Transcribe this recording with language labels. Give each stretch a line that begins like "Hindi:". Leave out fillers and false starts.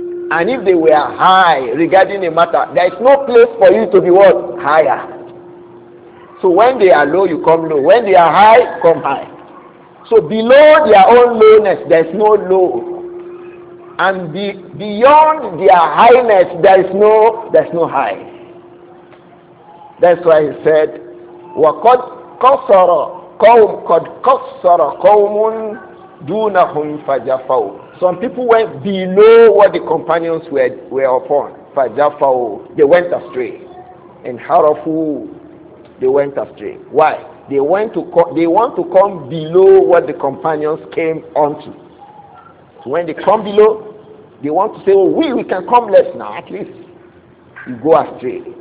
English: And if they were high regarding a matter, there is no place for you to be what? Higher. So when they are low, you come low. When they are high, come high. So below their own lowness, there is no low. And beyond their highness, there is no high. That's why he said,
Arabic: وَقَدْ كَسَرَ قَوْمٌ قَدْ كَسَرَ قَوْمٌ دُونَهُمْ فَجَفَوْا.
English: Some people went below what the companions were upon. فَجَفَوْا. They went astray. And حَرَفُوا. They went astray. Why? They want to come below what the companions came onto. So when they come below, they want to say, oh, we can come less now, at least. You go astray.